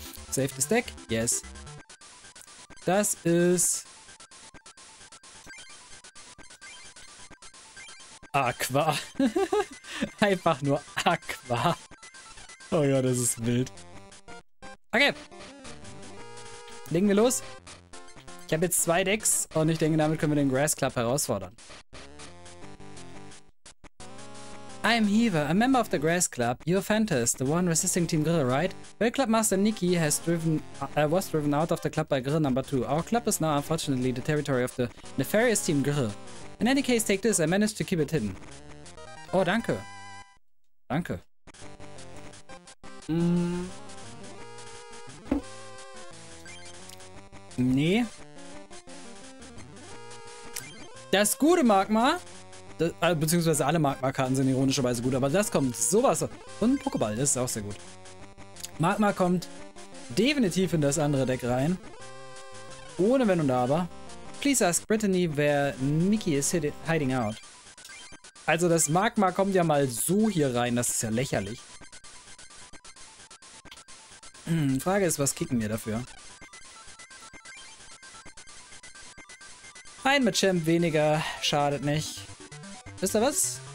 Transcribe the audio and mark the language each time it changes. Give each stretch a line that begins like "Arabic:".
English: Save the Stack. Yes.
German: Das ist Aqua. Einfach nur Aqua. Oh ja, das ist wild. Okay. Legen wir los. Ich habe jetzt 2 Decks und ich denke, damit können wir den Grass Club herausfordern.
English: I'm Heaver, a member of the Grass Club. You're Fantas, the one resisting Team Grill, right? Well, Clubmaster Nikki has driven, was driven out of the club by Grill number 2. Our club is now unfortunately the territory of the nefarious Team Grill. In any case, take this, I managed to keep it hidden.
German: Oh, danke. Danke. Nee. Das gute Magma, beziehungsweise alle Magma-Karten sind ironischerweise gut, aber das kommt sowas. Und ein Pokéball, das ist auch sehr gut. Magma kommt definitiv in das andere Deck rein. Ohne Wenn und Aber.
English: Please ask Brittany, where Nikki is hiding out.
German: Also das Magma kommt ja mal so hier rein, das ist ja lächerlich. Frage ist, was kicken wir dafür? Ein Machamp weniger schadet nicht. Wisst ihr was?